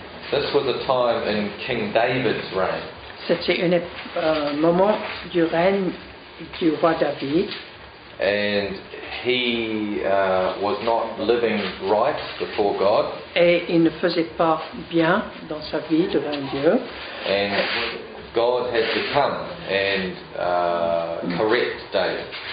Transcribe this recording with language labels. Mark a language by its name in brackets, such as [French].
[English] This was a time in King David's reign. [French] C'était un moment du règne du roi David. [English] And he was not living right before God. [French] Et il ne faisait pas bien dans sa vie devant Dieu. [English] And God had to come and correct David.